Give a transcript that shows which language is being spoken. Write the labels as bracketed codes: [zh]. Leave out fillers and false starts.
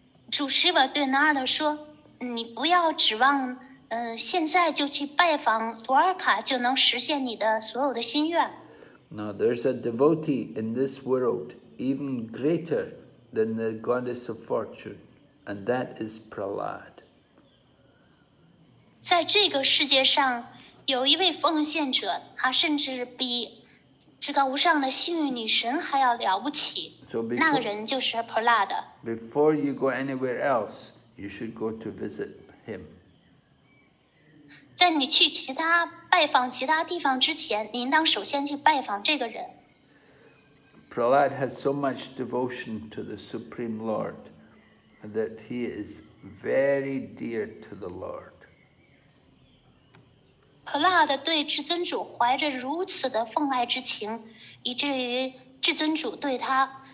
[zh] 主 Shiva 对 Narada 说你不要指望现在就去拜访 Dwarka 就能实现你的所有的心愿。 [en] Now there's a devotee in this world even greater than the goddess of fortune, and that is Prahlad. [zh] 在这个世界上有一位奉献者他甚至比至高无上的幸运女神还要了不起。 [en] So、before, [zh] 那个人就是 Prahlada。 [en] Before you go anywhere else, you should go to visit him. [zh] 在你去其他拜访其他地方之前，你应当首先去拜访这个人。 [en] Prahlad has so much devotion to the Supreme Lord that he is very dear to the Lord. [zh] Prahlad 对至尊主怀着如此的奉爱之情，以至于至尊主对他。